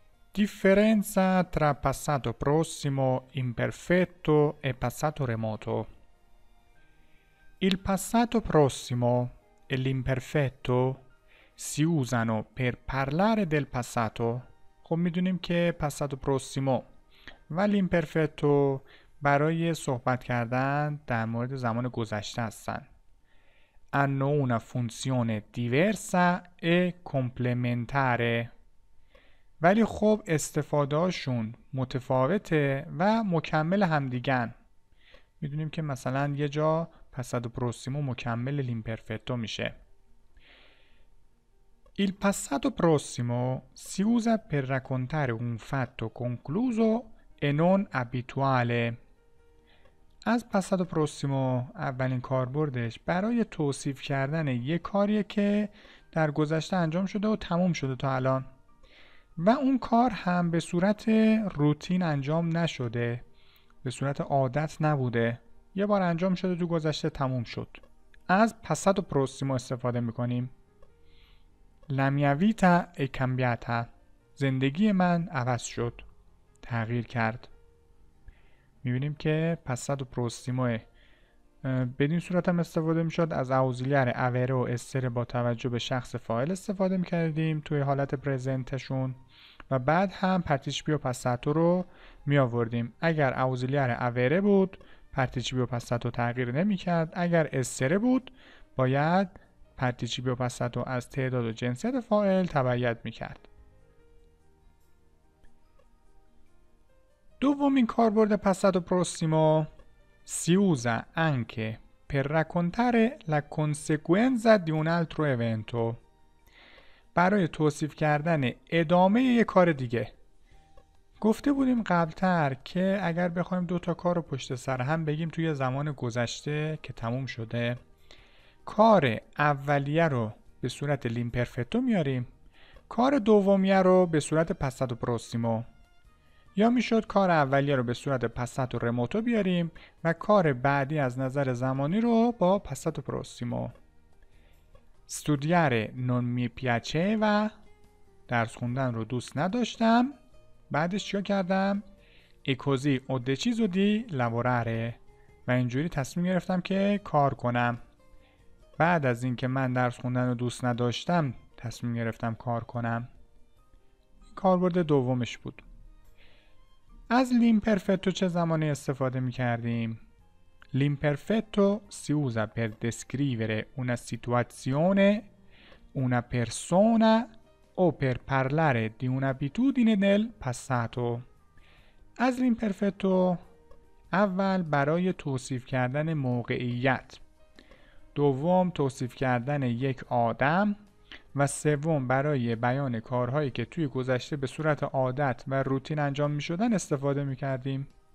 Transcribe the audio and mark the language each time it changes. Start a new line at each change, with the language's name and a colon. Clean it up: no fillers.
Italian: Differenza tra passato prossimo, imperfetto e passato remoto. Il passato prossimo e l'imperfetto si usano per parlare del passato. Come dicono che è passato prossimo, ma l'imperfetto
Persian: برای صحبت کردن در مورد زمان گذشته هستند.
Italian: hanno una funzione diversa e complementare.
Persian: ولی خب استفادهاشون متفاوته و مکمل همدیگن. میدونیم که مثلا یه جا passato prossimo مکمل l'imperfetto میشه.
Italian: Il passato prossimo si usa per raccontare un fatto concluso e non abituale.
Persian: از passato prossimo اولین کاربردش برای توصیف کردن یه کاریه که در گذشته انجام شده و تموم شده تا الان. و اون کار هم به صورت روتین انجام نشده، به صورت عادت نبوده، یه بار انجام شده تو گذشته تموم شد. از passato prossimo استفاده میکنیم. La mia vita è cambiata. زندگی من عوض شد، تغییر کرد. میبینیم که passato prossimo بدین صورت هم استفاده میشد. از auxiliar avere و essere با توجه به شخص فاعل استفاده میکردیم توی حالت پرزنتشون و بعد هم participio passato رو می آوردیم. اگر auxiliar avere بود participio passato تغییر نمیکرد، اگر essere بود باید participio passato از تعداد و جنسیت فاعل تبعیت میکرد. دومین کاربرد
Italian: passato prossimo si usa anche per raccontare la conseguenza di un altro evento.
Persian: برای توصیف کردن ادامه یک کار دیگه. گفته بودیم قبلتر که اگر بخوایم دو تا کار رو پشت سر هم بگیم توی زمان گذشته که تموم شده، کار اولیه رو به صورت لیمپرفتو میاریم، کار دومیه رو به صورت passato prossimo. یا میشد کار اولیه رو به صورت passato remoto بیاریم و کار بعدی از نظر زمانی رو با passato prossimo.
Italian: studiare non mi piaceva،
Persian: درس خوندن رو دوست نداشتم، بعدش چیکار کردم؟
Italian: e così ho deciso di lavorare،
Persian: و اینجوری تصمیم گرفتم که کار کنم. بعد از اینکه من درس خوندن رو دوست نداشتم تصمیم گرفتم کار کنم. کاربرد دومش بود. از l'imperfetto چه زمانی استفاده می‌کردیم؟
Italian: l'imperfetto si usa per descrivere una situazione, una persona o per parlare di un'abitudine del passato.
Persian: از l'imperfetto اول برای توصیف کردن موقعیت، دوم توصیف کردن یک آدم و سوم برای بیان کارهایی که توی گذشته به صورت عادت و روتین انجام می شدن استفاده می کردیم.